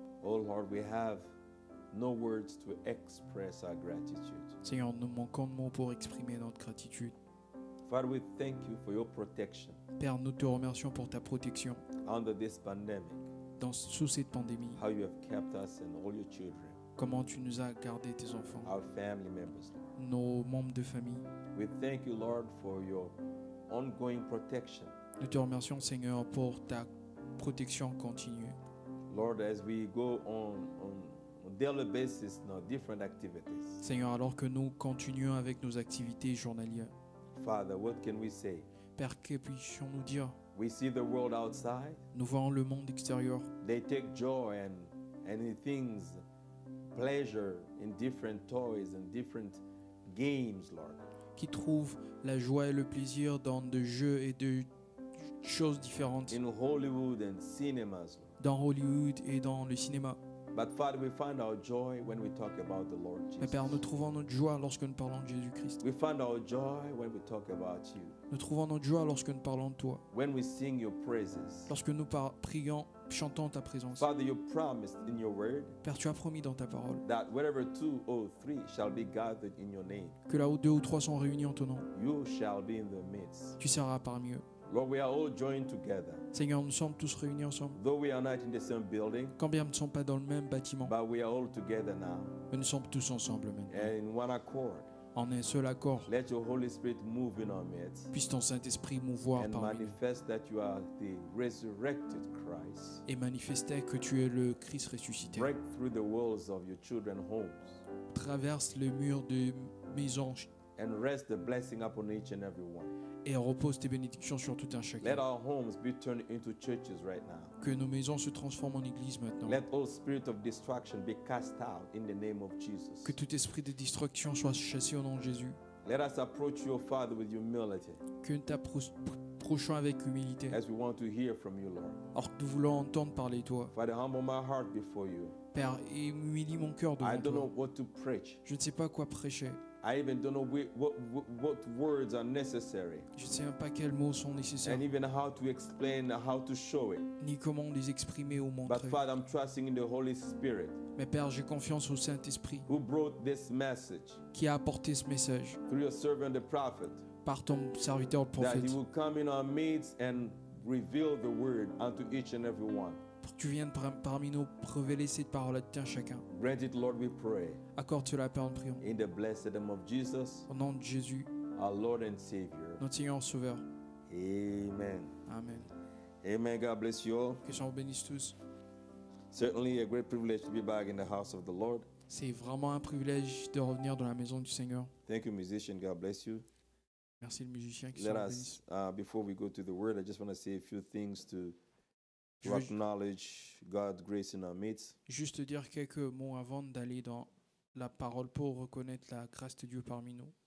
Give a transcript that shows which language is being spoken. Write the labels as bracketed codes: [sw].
[en] Oh Lord, we have no words to express our gratitude. [fr] Seigneur, nous manquons de mots pour exprimer notre gratitude. [en] Father, we thank you for your protection. [fr] Père, nous te remercions pour ta protection. [en] Under this pandemic. [fr] Sous cette pandémie. [en] How you have kept us and all your children. [fr] Comment tu nous as gardé tes enfants. [en] Our family members, Lord. [fr] Nos membres de famille. [en] We thank you, Lord, for your ongoing protection. [fr] Nous te remercions, Seigneur, pour ta protection continue. [en] Lord, as we go on daily basis, now different activities. [fr] Seigneur, alors que nous continuons avec nos activités journalières. [en] Father, what can we say? [fr] Père, que puissions-nous dire? [en] We see the world outside. [fr] Nous voyons le monde extérieur. [en] They take joy and things, pleasure in different toys and different games, Lord. [fr] Qui trouvent la joie et le plaisir dans de jeux et de choses différentes. [en] In Hollywood and cinemas. [fr] Dans Hollywood et dans le cinéma. [en] But Father, we find our joy when we talk about the Lord Jesus. [fr] Mais Père, nous trouvons notre joie lorsque nous parlons de Jésus-Christ. [en] We find our joy when we talk about you. [fr] Nous trouvons notre joie lorsque nous parlons de toi. [en] When we sing your praises. [fr] Lorsque nous prions, chantons ta présence. [en] Father, you promised in your word. [fr] Père, tu as promis dans ta parole. [en] That wherever two or three shall be gathered in your name. [fr] Que là où deux ou trois sont réunis en ton nom. [en] You shall be in the midst. [fr] Tu seras parmi eux. [en] Lord, we are all joined together. [fr] Seigneur, nous sommes tous réunis ensemble. [en] Though we are not in the same building. [fr] Quand bien nous ne sommes pas dans le même bâtiment. [en] But we are all together now. [fr] Mais nous sommes tous ensemble maintenant. [en] In one accord. [fr] En un seul accord. [en] Let your Holy Spirit move in our midst. [fr] Puisse ton Saint-Esprit mouvoir parmi nous. [en] And manifest that you are the resurrected Christ. [fr] Et manifestez que tu es le Christ ressuscité. [en] Break through the walls of your children's homes. [fr] Traverse les murs de maisons. [en] And rest the blessing upon each and every one. [fr] Et repose tes bénédictions sur tout un chacun. [en] Let our homes be turned into churches right now. [fr] Que nos maisons se transforment en églises maintenant. [en] Let all spirit of destruction be cast out in the name of Jesus. [fr] Que tout esprit de destruction soit chassé au nom de Jésus. [en] Let us approach your Father with humility. [fr] Que nous t'approchons avec humilité. [en] As we want to hear from you, Lord. [fr] Or que nous voulons entendre parler toi. [en] Father, humble my heart before you. [fr] Père, humilie mon cœur devant toi. [en] I don't know what to preach. [fr] Je ne sais pas quoi prêcher. [en] I even don't know what words are necessary. [fr] Je ne sais même pas quels mots sont nécessaires. [en] And even how to explain, how to show it. [fr] Ni comment les exprimer ou montrer. [en] But Father, I'm trusting in the Holy Spirit. [fr] Mais Père, j'ai confiance au Saint-Esprit. [en] Who brought this message? [fr] Qui a apporté ce message? [en] Through your servant the prophet. [fr] Par ton serviteur le prophète. [en] That he will come in our midst and reveal the word unto each and every one. [fr] Pour que tu viennes parmi nous révéler cette parole à tout chacun. [en] Grant it, Lord, we pray. [fr] Accorde-le, Père, nous prions. [en] In the blessed name of Jesus. [fr] Au nom de Jésus. [en] Our Lord and Savior. [fr] Notre Seigneur Sauveur. [en] Amen. [fr] Amen. [en] Amen. God bless you all. [fr] Que Dieu vous bénisse tous. [en] Certainly a great privilege to be back in the house of the Lord. [fr] C'est vraiment un privilège de revenir dans la maison du Seigneur. [en] Thank you, musician. God bless you. [fr] Merci, le musicien. [en] Let us, before we go to the word, I just want to say a few things to acknowledge God's grace in our midst. [fr] Juste dire quelques mots avant d'aller dans la parole pour reconnaître la grâce de Dieu parmi nous.